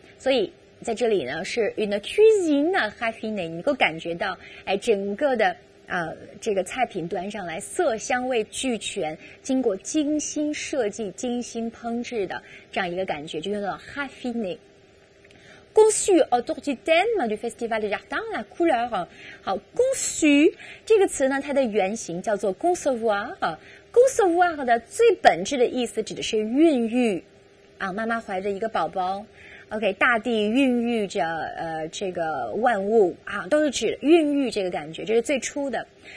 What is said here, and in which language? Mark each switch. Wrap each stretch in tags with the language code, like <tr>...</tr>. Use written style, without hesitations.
<zh>所以在这里呢，是</zh> <fr>une cuisine raffiné，</fr> <zh>你能够感觉到，哎，整个的这个菜品端上来，色香味俱全，经过精心设计、精心烹制的这样一个感觉，就叫做 raffiné。</zh> <fr>Conçu autour du thème du festival du jardin, la couleur.</fr> <zh>好 ，conçu 这个词呢，它的原型叫做 concevoir。 concevoir 的最本质的意思指的是孕育，啊，妈妈怀着一个宝宝。 OK， 大地孕育着这个万物啊，都是指孕育这个感觉，这是最初的。</zh>